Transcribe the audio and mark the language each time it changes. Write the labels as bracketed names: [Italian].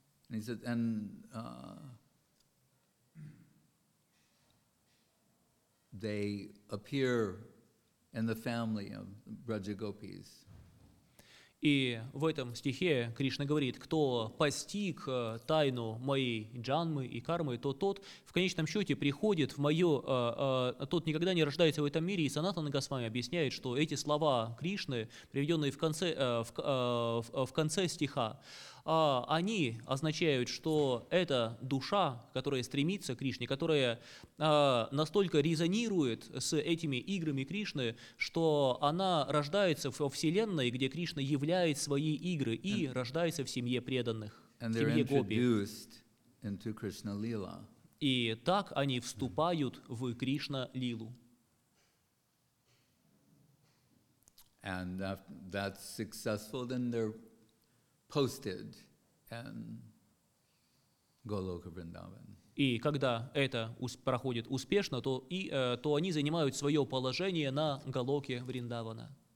[English] And he said, and they appear in the family of Brajagopis. [Russian] И в этом стихе Кришна говорит, кто постиг тайну моей джанмы и кармы, то тот в конечном счете приходит в мое, тот никогда не рождается в этом мире. И Санатана Госвами объясняет, что эти слова Кришны, приведенные в конце стиха, они означают, что это душа, которая стремится к Кришне, которая настолько резонирует с этими играми Кришны, что она рождается во вселенной, где Кришна являет свои игры и рождается в семье преданных, в семье гопи. И так они вступают в Кришна-лилу. [English] And if that's successful, then they're posted in Goloka Vrindavan. [Russian] И когда это проходит успешно, то, и, то они занимают свое положение на Голоке Вриндавана.